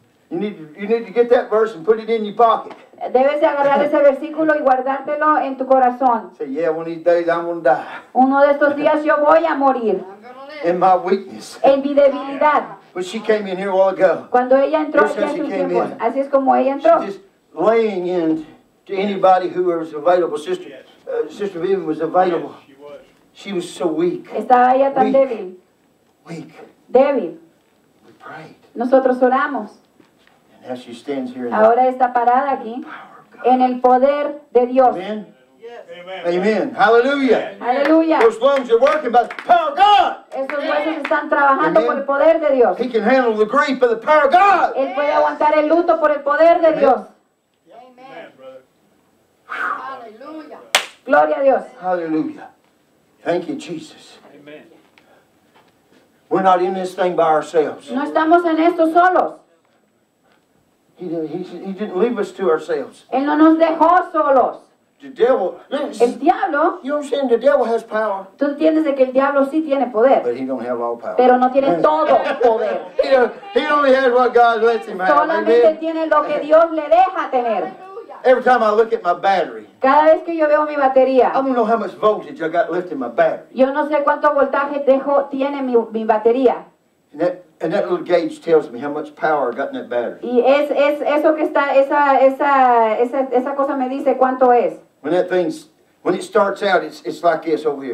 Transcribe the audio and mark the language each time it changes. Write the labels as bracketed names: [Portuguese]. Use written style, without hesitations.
[English] You need to get that verse and put it in your pocket. [Spanish] Debes de agarrar ese versículo y guardártelo en tu corazón. [English] Say, yeah, one of these days I'm gonna die. [Spanish] Uno de estos días yo voy a morir. [English] In my weakness. [Spanish] En mi debilidad. [English] But she came in here a while ago. [Spanish] Cuando ella entró, ya en sus tiempos, así es como ella entró. [English] She's just laying in to anybody who was available. Sister Vivian was available. Yes, she was. She was so weak. [Spanish] Estaba ella tan débil. [English] Weak. [Spanish] Débil. [English] We prayed. [Spanish] Nosotros oramos. [English] As she stands here, [Spanish] ahora está parada aquí, en el poder de Dios. [English] Amen. Yes. Amen. Amen. Hallelujah. Hallelujah. Those lungs are working by the power of God. [Spanish] Esos huesos están trabajando por el poder de Dios. [English] He can handle the grief by the power of God. [Spanish] Él puede aguantar el luto por el poder de Dios. [English] Amen. Hallelujah. [Spanish] Gloria a Dios. [English] Hallelujah. Thank you, Jesus. Amen. We're not in this thing by ourselves. [Spanish] No estamos en esto solos. [English] He didn't leave us to ourselves. [Spanish] Él no nos dejó solos. [English] The devil. Listen, [Spanish] el diablo. [English] You know what I'm saying? The devil has power. [Spanish] Tú entiendes de que el diablo sí tiene poder. [English] But he don't have all power. [Spanish] Pero no tiene todo poder. [English] He only has what God lets him have. [Spanish] Solamente amen. Tiene lo que Dios le deja tener. [English] Every time I look at my battery. [Spanish] Cada vez que yo veo mi batería. [English] I don't know how much voltage I got left in my battery. [Spanish] Yo no sé cuánto voltaje tiene mi batería. [English] And that little gauge tells me how much power I got in that battery. [Spanish] Y es eso que está esa cosa me dice cuánto es. [English] When it starts out, it's like this over here.